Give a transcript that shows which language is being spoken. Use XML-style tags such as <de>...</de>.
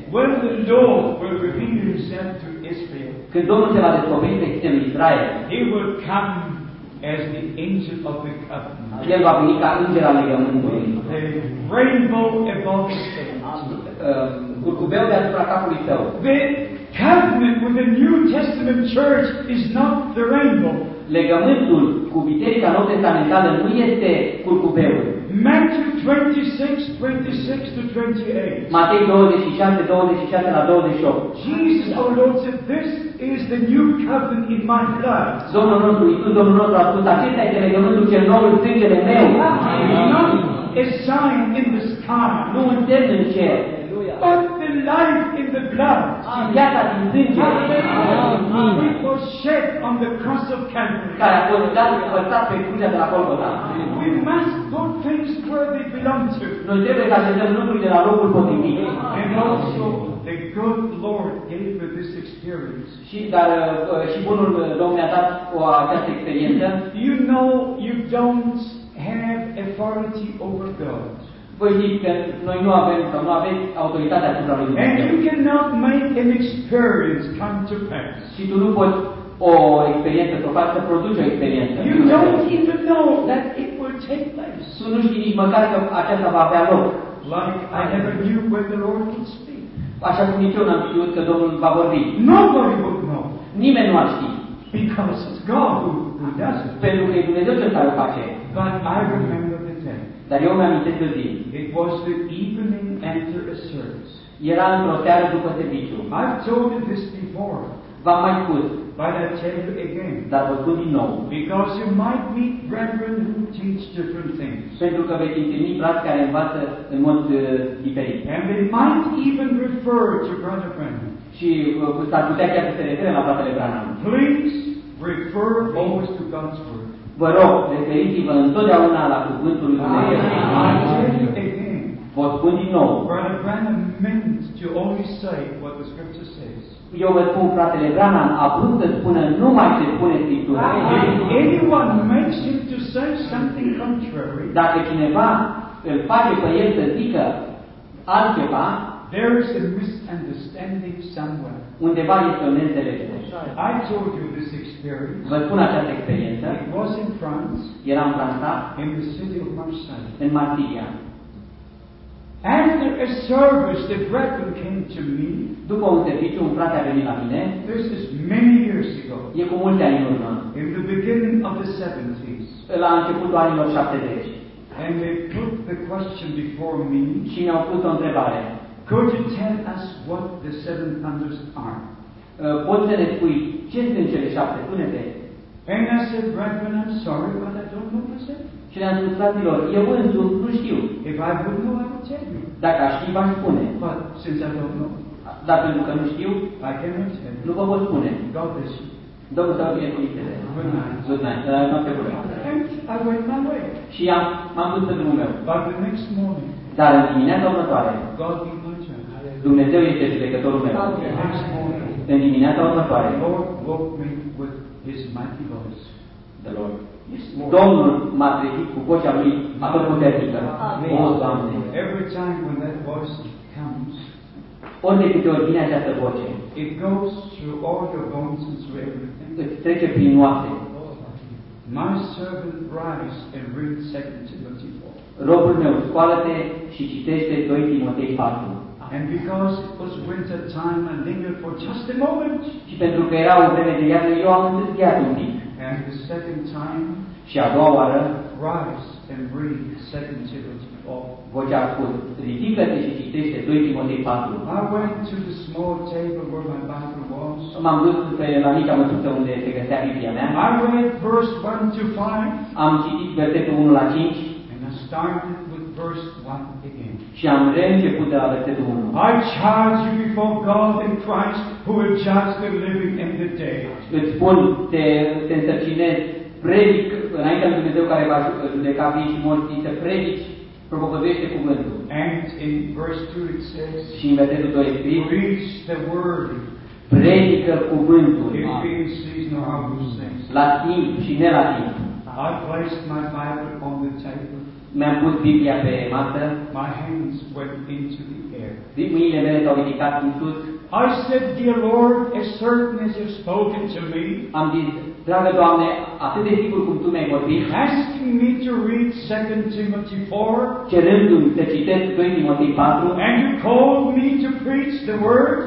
<en>When the Lord will reveal himself to Israel.</en> <ro>Când Domnul se va descoperi pe cetele Israel.</ro> <en>He will come as the angel of the covenant.</en> <ro>El va veni ca înger al legământului.</ro> <en>The rainbow above his head.</en> <ro>Curcubeul deasupra capului tău.</ro> <en>The covenant with the New Testament church is not the rainbow.</en> <ro>Legământul cu biserica nouă testamentală nu este curcubeul.</ro> <en>Matthew 26:26-28.</en> <ro>Matei 26:26-28.</ro> <en>Jesus, our Lord, said, "This is the new covenant in my blood."</en> <ro>Domnul nostru, Iisus, Domnul nostru, a spus, acesta este legământul cel nou în sângele meu.</ro> <en>Not a sign in the sky.</en> <ro>Nu un semn în cer.</ro> <en>But the life in the blood.</en> <ro>Viața din sânge.</ro> <en>It was shed on the cross of Calvary.</en> <ro>Care a fost dat și vărsat pe crucea de la Golgota.</ro> <en>We must put things where they belong to.</en> <ro>Noi trebuie să așezăm lucrurile de la locul potrivit.</ro> <en>And also the good Lord gave me this experience.</en> <ro>Și dar și bunul Domn mi-a dat o această experiență.</ro> <en>You know you don't have authority over God.</en> <ro>Voi știți că noi nu avem sau nu aveți autoritatea asupra lui Dumnezeu.</ro> <en>And you cannot make an experience come to pass.</en> <ro>Și tu nu poți o experiență să o faci să produci o experiență.</ro> <en>You don't even know that it will take place.</en> <ro>Tu nu știi nici măcar că aceasta va avea loc.</ro> <en>Like I never knew when the Lord would speak.</en> <ro>Așa cum nici eu n-am știut că Domnul va vorbi.</ro> <en>Nobody would know.</en> <ro>Nimeni nu ar ști.</ro> <en>Because it's God who does it.</en> <ro>Pentru că e Dumnezeu cel care o face.</ro> <en>But I remember the day.</en> <ro>Dar eu mi-amintesc o zi.</ro> <en>It was the evening after a service.</en> <ro>Era într-o seară după serviciu.</ro> <en>I've told you this before. But my good. But I tell you again. That was good enough. Because you might meet brethren who teach different things.</en> <ro>Pentru că vei întâlni frați care învață în mod diferit.</ro> <en>And they might even refer to Brother Branham.</en> <ro>Și s-ar putea chiar să se refere la fratele Branham.</ro> <en>Please refer always to God's word.</en> <ro>Vă rog, referiți-vă întotdeauna la cuvântul lui Dumnezeu.</ro> <en>I tell you again.</en> <ro>Vă spun din nou.</ro> <en>Brother Branham meant to only say what the scripture says.</en> <ro>Eu vă spun, fratele Branham a vrut să spună numai ce spune Scriptura.</ro> <en>Anyone makes him to say something contrary,</en> <ro>dacă cineva îl face pe el să zică altceva,</ro> <en>there is a misunderstanding somewhere.</en> <ro>Undeva este o neînțelegere.</ro> <en>I told you this experience.</en> <ro>Vă spun această experiență.</ro> <en>It was in France.</en> <ro>Era în Franța.</ro> <en>In the city of Marseille.</en> <ro>În Marsilia.</ro> <en>After a service, the brethren came to me.</en> <ro>După un serviciu, un frate a venit la mine.</ro> <en>This is many years ago.</en> <ro>E cu mulți ani în urmă.</ro> <en>In the beginning of the 70s.</en> <ro>La începutul anilor 70.</ro> <en>And they put the question before me.</en> <ro>Și mi-au pus o întrebare.</ro> <en>Could you tell us what the seven thunders are?</en> <ro>Poți să ne spui ce sunt cele șapte? Spune-te.</ro> <en>And I said, brethren, I'm sorry, but I don't know what I said.</en> <ro>Și le-am spus, fraților, eu însumi nu știu.</ro> <en>If I would know, I would tell you.</en> <ro>Dacă aș ști, v-aș spune.</ro> <en>But since I don't know.</en> <ro>Dar pentru că nu știu,</ro> <en>I cannot tell you.</en> <ro>Nu vă pot spune.</ro> <en>God bless you.</en> <ro>Domnul tău bine cu mintele.</ro> <en>Good night. Good night.</en> <ro>Și m-am dus pe drumul meu.</ro> <en>But the next morning.</en> <ro>Dar în dimineața următoare.</ro> <en>God be my turn.</en> <ro>Dumnezeu este judecătorul meu.</ro> <en>But the next morning.</en> <ro>În dimineața următoare.</ro> <en>Lord woke me with his mighty voice. The Lord. Yes,</en> <ro>Domnul m-a trezit cu vocea lui, m-a făcut puternică. O, Doamne!</ro> <en>Every time when that voice comes,</en> <ro>ori de câte ori vine această voce,</ro> <en>it goes through all your bones and through everything.</en> <ro>Îți trece prin oase.</ro> <en>My servant rise and read 2 Timothy 4.</en> <ro>Robul meu, scoală-te și citește 2 Timotei 4.</ro> <en>And because it was winter time, I lingered for just a moment.</en> <ro>Și pentru că era o vreme de iarnă, eu am întârziat un pic.</ro> <en>And the second time,</en> <ro>și a doua oară,</ro> <en>rise and read 2 Timothy 4.</en> <ro>Vocea a spus, ridică-te și citește 2 Timotei 4.</ro> <en>I went to the small table where my Bible was.</en> <ro>M-am dus pe la mica măsuță unde se găsea Biblia mea.</ro> <en>I read verse 1 to 5.</en> <ro>Am citit versetul 1 la 5.</ro> <en>And I started with verse 1 again.</en> <ro>Și am reînceput de la versetul 1.</ro> <en>I charge you before God and Christ who will judge the living and the dead.</en> <ro>Îți spun, te însărcinez, predic înaintea lui Dumnezeu care va judeca vii și morți, să predici, propovăduiește cuvântul.</ro> <en>And in verse 2 it says,</en> <ro>și în versetul 2</ro> <en>it says, preach the word.</en> <ro>Predică cuvântul.</ro> <en>In this season of harvesting.</en> <ro>La timp și ne la timp.</ro> <en>I placed my Bible on the table.</en> <ro>Mi-am pus Biblia pe masă.</ro> <en>My hands went into the air.</en> <ro>Mâinile mele s-au ridicat în sus.</ro> <en>I said, dear Lord, as certain as you've spoken to me.</en> <ro>Am zis, dragă Doamne, atât de sigur cum Tu mi-ai vorbit.</ro> <en>Asking me to read 2 Timothy 4.</en> <ro>Cerându-mi să citesc 2 Timotei 4.</ro> <en>And you called me to preach the word.</en>